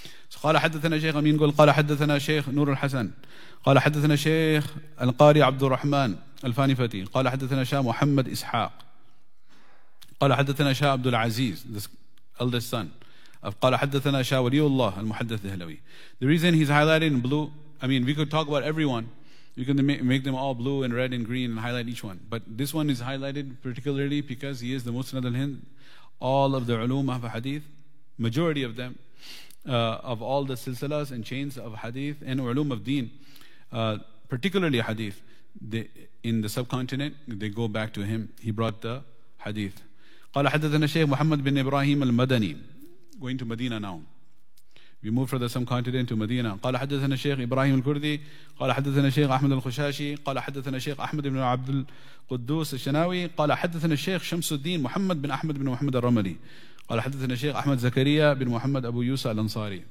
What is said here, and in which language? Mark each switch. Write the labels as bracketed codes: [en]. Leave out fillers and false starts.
[ar] So قال حدثنا شيخ أمين قول قال حدثنا شيخ نور الحسن قال حدثنا شيخ القاري عبد الرحمن الفانفتي قال حدثنا شاه محمد إسحاق قال حدثنا شاه عبد العزيز, [en] the eldest son. [ar] قال حدثنا شاه ولي الله المحدث الهلوي. [en] The reason he's highlighted in blue, I mean, we could talk about everyone. You can make them all blue and red and green and highlight each one. But this one is highlighted particularly because he is the Musnad al-Hind. All of the ulum of hadith, majority of them, of all the silsilas and chains of hadith and ulum of deen, particularly hadith, they, in the subcontinent, they go back to him. He brought the hadith. [ar] قال حدثنا شيخ محمد بن إبراهيم المدني. [en] Going to Medina now. We move from the subcontinent to Medina. [ar] قال حدثنا الشيخ إبراهيم الكردي قال حدثنا الشيخ أحمد الخشاشي قال حدثنا الشيخ أحمد بن عبد القدوس الشناوي قال حدثنا الشيخ شمس الدين محمد بن أحمد بن محمد الرملي قال حدثنا الشيخ أحمد زكريا بن محمد أبو يوسف الأنصاري.